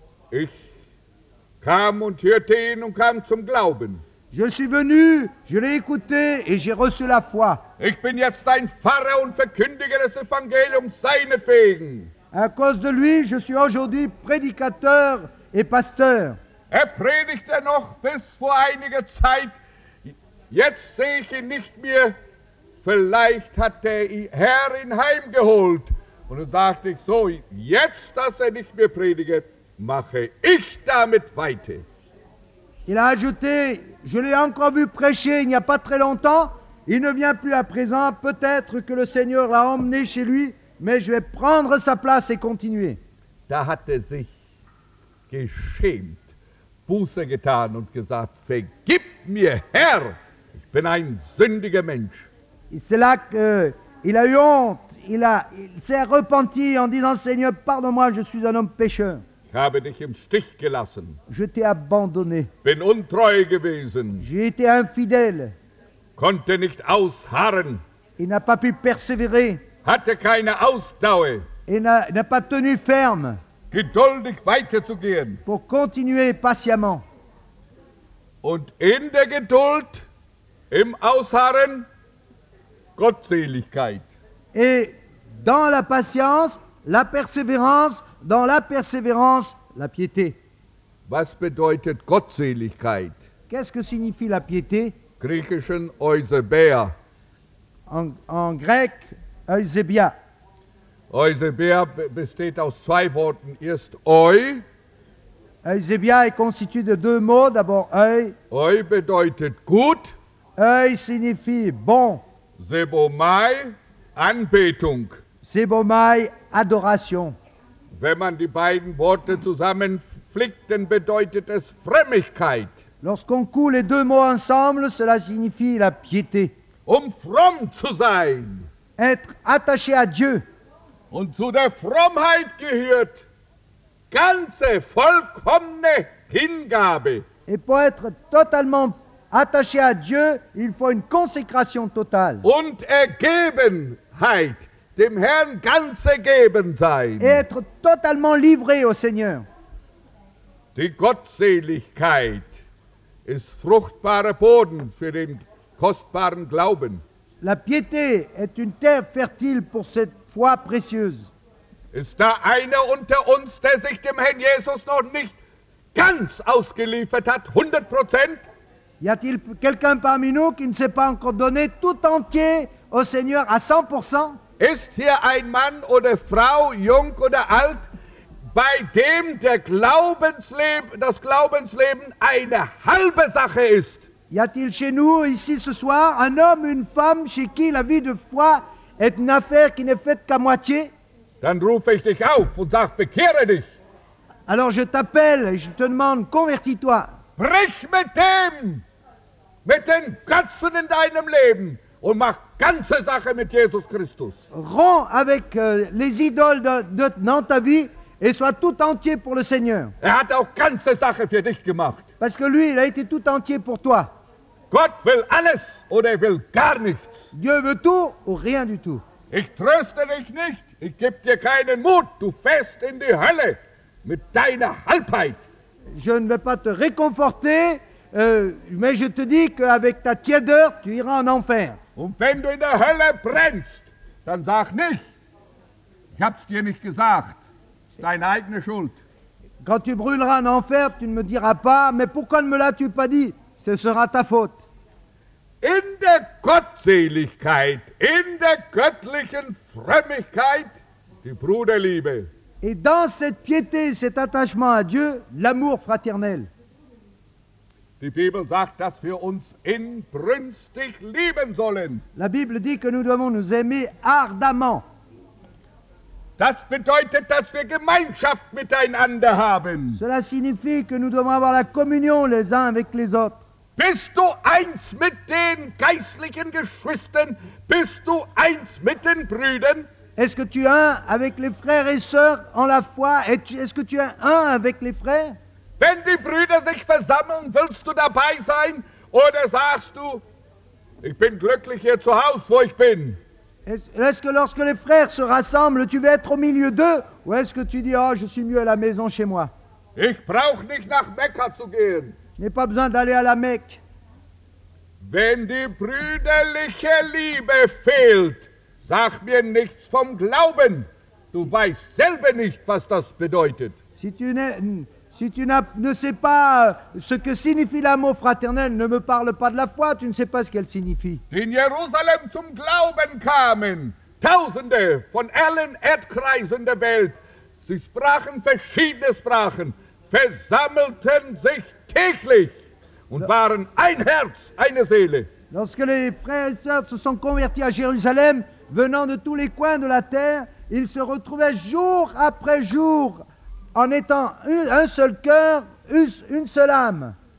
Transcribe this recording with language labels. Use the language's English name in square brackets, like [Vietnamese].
[German] Ich kam und hörte ihn und kam zum Glauben. [French] Je suis venu, je l'ai écouté et j'ai reçu la foi. [German] Ich bin jetzt ein Pfarrer und verkündige das Evangelium seinetwegen. [French] À cause de lui, je suis aujourd'hui prédicateur et pasteur. [German] Er predigte noch bis vor einiger Zeit. Jetzt sehe ich ihn nicht mehr. Vielleicht hat der Herr ihn heimgeholt. Und dann sagte ich so, jetzt, dass er nicht mehr predigt, mache ich damit weiter. [French] Il a ajouté, je l'ai encore vu prêcher il n'y a pas très longtemps. Il ne vient plus à présent. Peut-être que le Seigneur l'a emmené chez lui, mais je vais prendre sa place et continuer. [German] Da hat er sich geschämt. Buße getan und gesagt, vergib mir, Herr, ich bin ein sündiger Mensch. [French] C'est là qu'il a eu honte, il s'est repenti en disant, Seigneur, pardonne-moi, je suis un homme pécheur. [German] Ich habe dich im Stich gelassen. [French] Je t'ai abandonné. [German] Bin untreu gewesen. [French] J'ai été infidèle. [German] Konnte nicht ausharren. [French] Il n'a pas pu persévérer. [German] Hatte keine Ausdauer. [French] Il n'a pas tenu ferme. [German] Geduldig weiterzugehen. [French] Pour continuer patiemment. [German] Und in der Geduld, im Ausharren, Gottseligkeit. [French] Et dans la patience, la persévérance, dans la persévérance, la piété. [German] Was bedeutet Gottseligkeit? [French] Qu'est-ce que signifie la piété? [German] Griechischen Eusebia. [French] En grec, Eusebia. [German] Eusebia besteht aus zwei Worten. Erst eu. [French] Eusebia est constitué de deux mots. D'abord eu. [German] Eu bedeutet gut. [French] Eu signifie bon. [German] Sebomai, Anbetung. [French] Sebomai, Adoration. [German] Wenn man die beiden Worte zusammenflickt, dann bedeutet es Frömmigkeit. [French] Lorsqu'on coule les deux mots ensemble, cela signifie la piété. [German] Um fromm zu sein. [French] Être attaché à Dieu. [German] Und zu der Frommheit gehört ganze, vollkommene Hingabe. [French] Et pour être totalement attaché à Dieu, il faut une consécration totale. [German] Und Ergebenheit, dem Herrn ganz ergeben sein. [French] Et être totalement livré au Seigneur. [German] Die Gottseligkeit ist fruchtbarer Boden für den kostbaren Glauben. [French] La piété est une terre fertile pour cette foi précieuse. [German] Ist da einer unter uns, der sich dem Herrn Jesus noch nicht ganz ausgeliefert hat, 100%? [French] Y a-t-il quelqu'un parmi nous qui ne s'est pas encore donné tout entier au Seigneur à 100%? [German] Ist hier ein Mann oder Frau, jung oder alt, bei dem das Glaubensleben eine halbe Sache ist? [French] Y a-t-il chez nous ici ce soir un homme, une femme chez qui la vie de foi est une affaire qui n'est faite qu'à moitié? [German] Dann rufe ich dich auf und sag, bekehre dich. [French] Alors je t'appelle et je te demande, convertis-toi. [German] Brich mit dem Götzen in deinem Leben und mach ganze Sache mit Jesus Christus. [French] Romps avec les idoles dans ta vie et sois tout entier pour le Seigneur. [German] Er hat auch ganze Sache für dich gemacht. [French] Parce que lui, il a été tout entier pour toi. [German] Gott will alles oder will gar nichts. [French] Dieu veut tout ou rien du tout. [German] Ich tröste dich nicht, ich gebe dir keinen Mut, du fährst in die Hölle mit deiner Halbheit. [French] Je ne vais pas te réconforter, mais je te dis qu'avec ta tiédeur, tu iras en enfer. [German] Und wenn du in der Hölle brennst, dann sag nicht, ich hab's dir nicht gesagt, es ist deine eigene Schuld. [French] Quand tu brûleras en enfer, tu ne me diras pas, mais pourquoi ne me l'as-tu pas dit? Ce sera ta faute. [German] In der Gottseligkeit, in der göttlichen Frömmigkeit, die Bruderliebe. [French] Et dans cette piété, cet attachement à Dieu, l'amour fraternel. [German] Die Bibel sagt, dass wir uns inbrünstig lieben sollen. [French] La Bible dit que nous devons nous aimer ardemment. [German] Das bedeutet, dass wir Gemeinschaft miteinander haben. [French] Cela signifie que nous devons avoir la communion les uns avec les autres. [German] Bist du eins mit den geistlichen Geschwistern? Bist du eins mit den Brüdern? [French] Est-ce que tu es un avec les frères et sœurs en la foi? Est-ce que tu es un avec les frères? [German] Wenn die Brüder sich versammeln, willst du dabei sein? Oder sagst du, ich bin glücklich hier zu Hause, wo ich bin? [French] Est-ce que lorsque les frères se rassemblent, tu veux être au milieu d'eux? Ou est-ce que tu dis, oh, je suis mieux à la maison chez moi? [German] Ich brauche nicht nach Mekka zu gehen. [French] Je n'ai pas besoin d'aller à la Mecque. [German] Wenn die brüderliche Liebe fehlt, sag mir nichts vom Glauben. Du weißt selber nicht, was das bedeutet. [French] Si tu ne sais pas ce que signifie l'amour fraternel, ne me parle pas de la foi, tu ne sais pas ce qu'elle signifie. [German] In Jerusalem zum Glauben kamen Tausende von allen Erdkreisen der Welt. Sie sprachen verschiedene Sprachen, versammelten sich täglich und waren ein Herz, eine Seele. [French] Lorsque les frères et sœurs se sont convertis à Jérusalem, venant de tous les coins de la terre, ils se retrouvaient jour après jour en étant un seul cœur, une seule âme.